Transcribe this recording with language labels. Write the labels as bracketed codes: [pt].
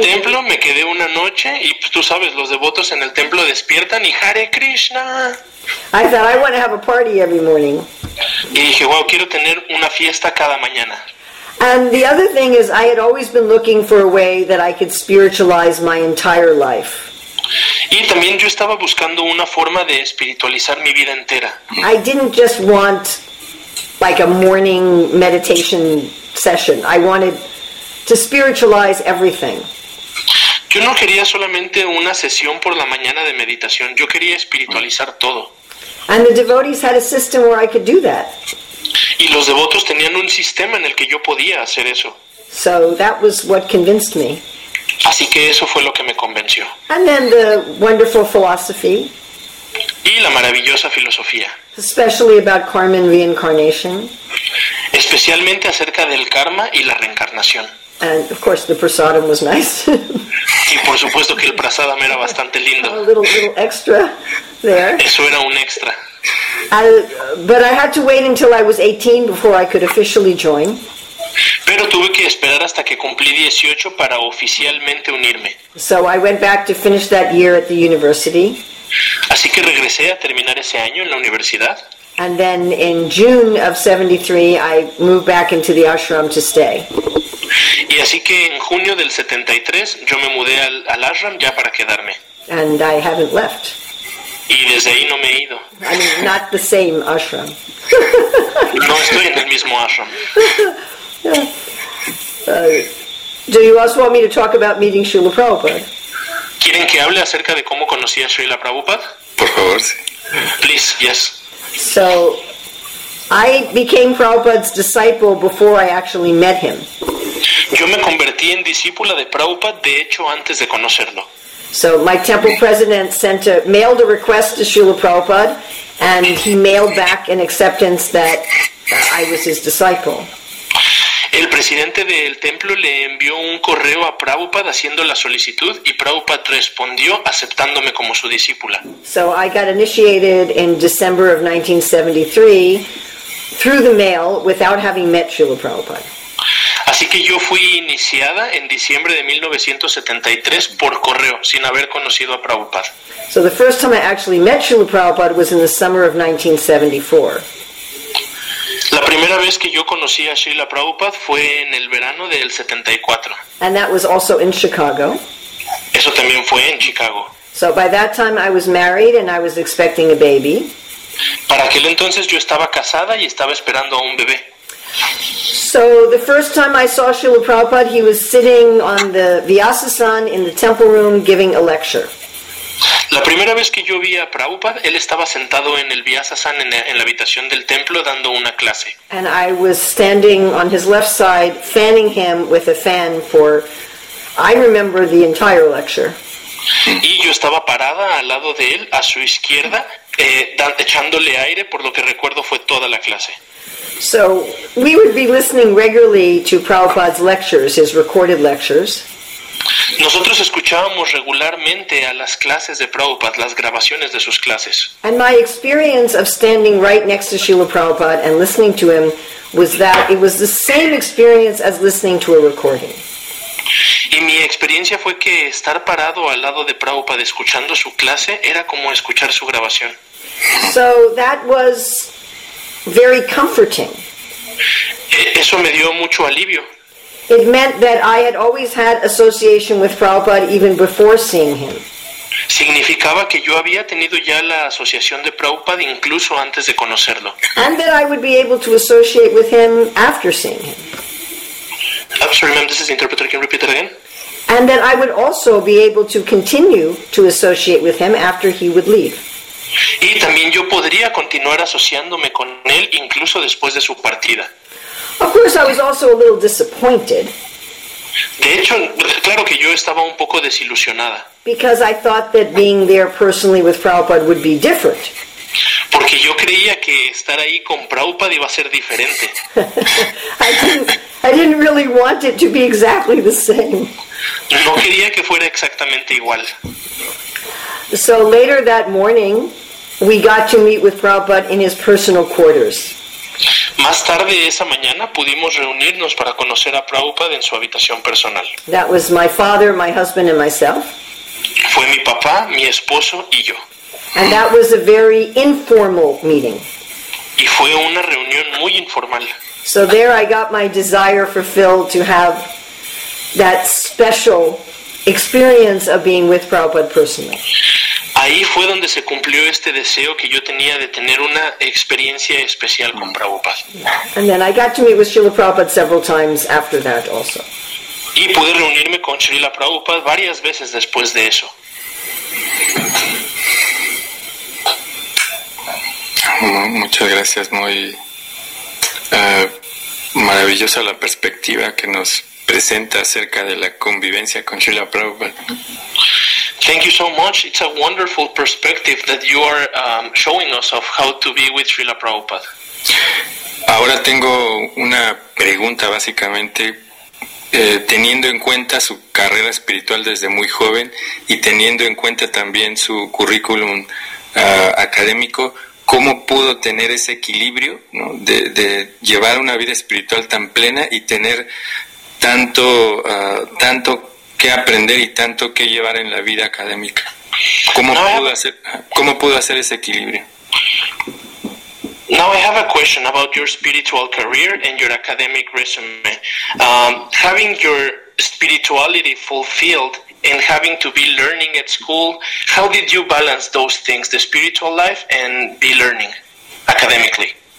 [es] Fui al templo, me quedé una noche, y tú sabes, los devotos en el templo despiertan, y Hare Krishna. [en] I thought, I want to have a party every morning. [es] Y dije, wow, quiero tener una fiesta cada mañana. [en] And the other thing is, I had always been looking for a way that I could spiritualize my entire life. [es] Y también yo estaba buscando una forma de espiritualizar mi vida entera. [en] I didn't just want like a morning meditation session. I wanted to spiritualize everything. [es] Yo no quería solamente una sesión por la mañana de meditación. Yo quería espiritualizar todo. [en] And the devotees had a system where I could do that. [es] Y los devotos tenían un sistema en el que yo podía hacer eso. [en] So that was what convinced me. [es] Así que eso fue lo que me convenció. [en] And then the wonderful philosophy. [es] Y la maravillosa filosofía. [en] Especially about karma and reincarnation. [es] Especialmente acerca del karma y la reencarnación. [en] And of course the prasadam was nice. [es] Y por supuesto que el prasadam era bastante lindo. [en] A little extra there. [es] Eso era un extra. [en] But I had to wait until I was 18 before I could officially join. [es] Pero tuve que esperar hasta que cumplí 18 para oficialmente unirme. [en] So I went back to finish that year at the university. [es] Así que regresé a terminar ese año en la universidad. [en] And then in June of 73, I moved back into the ashram to stay. [es] Y así que en junio del 73, yo me mudé al ashram ya para quedarme. [en] And I haven't left. [es] Y desde ahí no me he ido. [en] I mean, not the same ashram. [es] No estoy en el mismo ashram. [en] Do you also want me to talk about meeting Srila Prabhupada? [es] ¿Quieren que hable acerca de cómo conocí a Srila Prabhupada? Por favor, sí. [en] Please, yes. So, I became Prabhupada's disciple before I actually met him. [es] Yo me convertí en discípula de Prabhupada, de hecho, antes de conocerlo. [en] So, my temple president mailed a request to Srila Prabhupada, and he mailed back an acceptance that I was his disciple. [es] El presidente del templo le envió un correo a Prabhupada haciendo la solicitud y Prabhupada respondió aceptándome como su discípula. [en] So I got initiated in December of 1973 through the mail without having met Srila Prabhupada. [es] Así que yo fui iniciada en diciembre de 1973 por correo sin haber conocido a Prabhupada. [en] So the first time I actually met Srila Prabhupada was in the summer of 1974. [es] La primera vez que yo conocí a Srila Prabhupada fue en el verano del 74. [en] And that was also in Chicago. [es] Eso también fue en Chicago. [en] So by that time I was married and I was expecting a baby. [es] Para aquel entonces yo estaba casada y estaba esperando a un bebé. [en] So the first time I saw Srila Prabhupada, he was sitting on the Vyasasan in the temple room giving a lecture. [es] La primera vez que yo vi a Prabhupada, él estaba sentado en el Vyasasan en la habitación del templo dando una clase. [en] And I was standing on his left side fanning him with a fan for, I remember the entire lecture. [es] Y yo estaba parada al lado de él, a su izquierda, echándole aire, por lo que recuerdo fue toda la clase. [en] So we would be listening regularly to Prabhupada's lectures, his recorded lectures. [es] Nosotros escuchábamos regularmente a las clases de Prabhupada, las grabaciones de sus clases. [en] And my experience of standing right next to Srila Prabhupada and listening to him was that it was the same experience as listening to a recording. [es] Y mi experiencia fue que estar parado al lado de Prabhupada escuchando su clase era como escuchar su grabación. [en] So that was very comforting. [es] Eso me dio mucho alivio. [en] It meant that I had always had association with Prabhupada even before seeing him. [es] Significaba que yo había tenido ya la asociación de Prabhupada incluso antes de conocerlo. [en] And that I would be able to associate with him after seeing him. I'm sorry, ma'am, this is the interpreter. Can you repeat it again? And that I would also be able to continue to associate with him after he would leave. [es] Y también yo podría continuar asociándome con él incluso después de su partida. [en] Of course, I was also a little disappointed. [es] De hecho, claro que yo estaba un poco desilusionada. [en] Because I thought that being there personally with Prabhupada would be different. [es] Porque yo creía que estar ahí con Prabhupada iba a ser diferente. [en] I didn't really want it to be exactly the same. [es] No quería que fuera exactamente igual. [en] So later that morning, we got to meet with Prabhupada in his personal quarters. [es] Más tarde esa mañana pudimos reunirnos para conocer a Prabhupada en su habitación personal. [en] That was my father, my husband, and myself. [es] Fue mi papá, mi esposo y yo. [en] And that was a very informal meeting. [es] Y fue una reunión muy informal. [en] So there I got my desire fulfilled to have that special experience of being with Prabhupada personally. A [es] Ahí fue donde se cumplió este deseo que yo tenía de tener una experiencia especial con Prabhupada. [en] And then I got to meet with Srila Prabhupada several times after that also. [es] Y pude reunirme con Srila Prabhupada varias veces después de eso. Muchas gracias, muy maravillosa la perspectiva que nos presenta acerca de la convivencia con Srila Prabhupada. [en] Thank you so much. It's a wonderful perspective that you are showing us of how to be with Srila Prabhupada. [es] Ahora tengo una pregunta básicamente, teniendo en cuenta su carrera espiritual desde muy joven y teniendo en cuenta también su currículum académico, ¿cómo pudo tener ese equilibrio, ¿no? de llevar una vida espiritual tan plena y tener tanto que aprender y tanto que llevar en la vida académica? ¿Cómo pudo hacer ese equilibrio? [en] Now I have a question about your spiritual career and your academic resume. Having your spirituality fulfilled and having to be learning at school, how did you balance those things, the spiritual life and be learning academically?